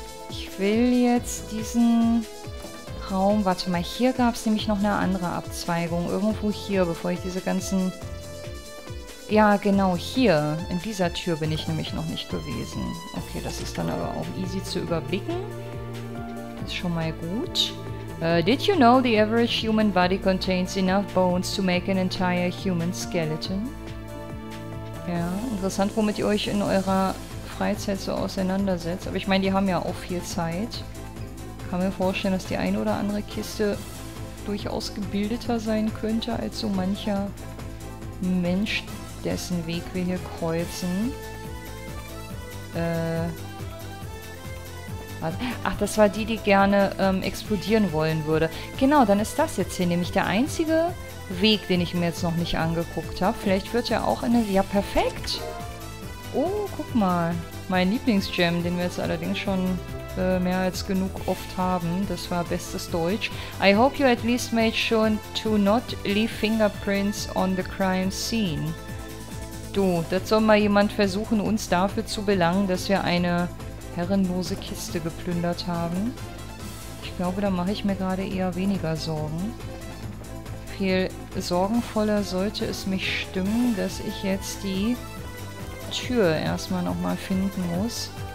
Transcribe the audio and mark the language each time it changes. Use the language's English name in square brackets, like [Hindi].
[German] Ich will jetzt diesen Raum... Warte mal, hier gab es nämlich noch eine andere Abzweigung. Irgendwo hier, bevor ich diese ganzen... Ja, genau, hier. In dieser Tür bin ich nämlich noch nicht gewesen. Okay, das ist dann aber auch easy zu überblicken. Das ist schon mal gut. [English] Did you know the average human body contains enough bones to make an entire human skeleton? [German] Ja, interessant, womit ihr euch in eurer Freizeit so auseinandersetzt. Aber ich meine, die haben ja auch viel Zeit. Kann mir vorstellen, dass die eine oder andere Kiste durchaus gebildeter sein könnte als so mancher Mensch, dessen Weg wir hier kreuzen. Ach, das war die, die gerne explodieren wollen würde. Genau, dann ist das jetzt hier nämlich der einzige Weg, den ich mir jetzt noch nicht angeguckt habe. Vielleicht wird ja auch eine... Ja, perfekt! Oh, guck mal. Mein Lieblingsgem, den wir jetzt allerdings schon mehr als genug oft haben. Das war bestes Deutsch. [English] I hope you at least made sure to not leave fingerprints on the crime scene. [German] Du, das soll mal jemand versuchen, uns dafür zu belangen, dass wir eine herrenlose Kiste geplündert haben. Ich glaube, da mache ich mir gerade eher weniger Sorgen. Viel sorgenvoller sollte es mich stimmen, dass ich jetzt die Tür erstmal nochmal finden muss.